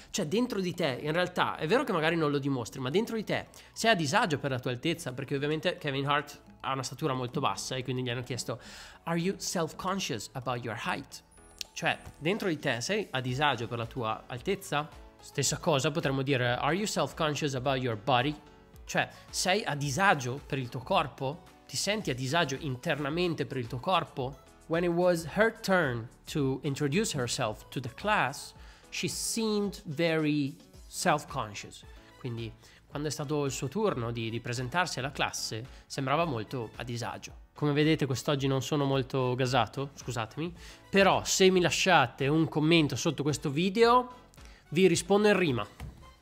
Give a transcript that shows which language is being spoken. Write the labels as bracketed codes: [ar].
[it] Cioè, dentro di te, in realtà, è vero che magari non lo dimostri, ma dentro di te, sei a disagio per la tua altezza? Perché ovviamente Kevin Hart ha una statura molto bassa e quindi gli hanno chiesto, [en] are you self-conscious about your height? [it] Cioè, dentro di te sei a disagio per la tua altezza? Stessa cosa potremmo dire, [en] are you self-conscious about your body? [it] Cioè, sei a disagio per il tuo corpo? Ti senti a disagio internamente per il tuo corpo? [en] When it was her turn to introduce herself to the class, she seemed very self-conscious. [it] Quindi, quando è stato il suo turno di presentarsi alla classe, sembrava molto a disagio. Come vedete, quest'oggi non sono molto gasato, scusatemi, però se mi lasciate un commento sotto questo video, vi rispondo in rima.